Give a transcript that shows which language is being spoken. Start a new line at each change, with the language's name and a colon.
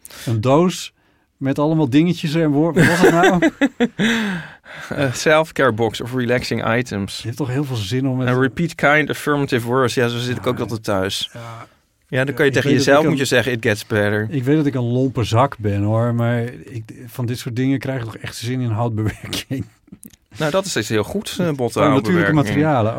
Dutch: Een doos met allemaal dingetjes en woorden. Wat was het nou?
English: Self-care box of relaxing items.
Dutch: Je hebt toch heel veel zin om...
English: Een repeat kind affirmative words.
Dutch: Ja, zo zit ik ook altijd thuis. Ja, dan kan je tegen jezelf moet je zeggen,
English: it gets better.
Dutch: Ik weet dat ik een lompe zak ben, hoor. Maar van dit soort dingen krijg ik toch echt zin in houtbewerking. Nou, dat is iets heel goed, botten. Natuurlijke materialen.